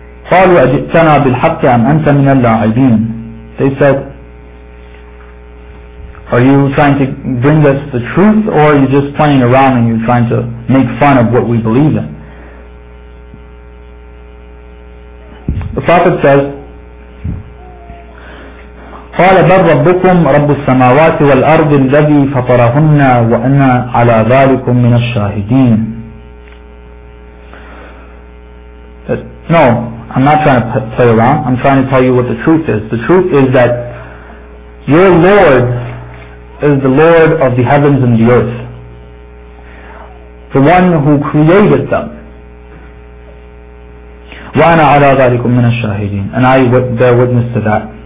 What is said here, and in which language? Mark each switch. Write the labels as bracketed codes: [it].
[ar] قَالُوا أَجِئْتَنَا بِالْحَقِّ أَمْ أَنْتَ مِنَ اللَّاعِبِينَ [en] They said, are you trying to bring us the truth or are you just playing around and you're trying to make fun of what we believe in? The Prophet says, [ar] قَالَ بَلْ رَبُّكُمْ رَبُّ السَّمَاوَاتِ وَالْأَرْضِ الَّذِي فَطَرَهُنَّ وَأَنَا عَلَى ذَلِكُمْ مِنَ الشَّاهِدِينَ [en] That, no. I'm not trying to play around. I'm trying to tell you what the truth is. The truth is that your Lord is the Lord of the heavens and the earth. The one who created them. [ar] وَأَنَا عَلَىٰ ذَلِكُمْ مِنَ الشَّاهِدِينَ [en] And I bear witness to that.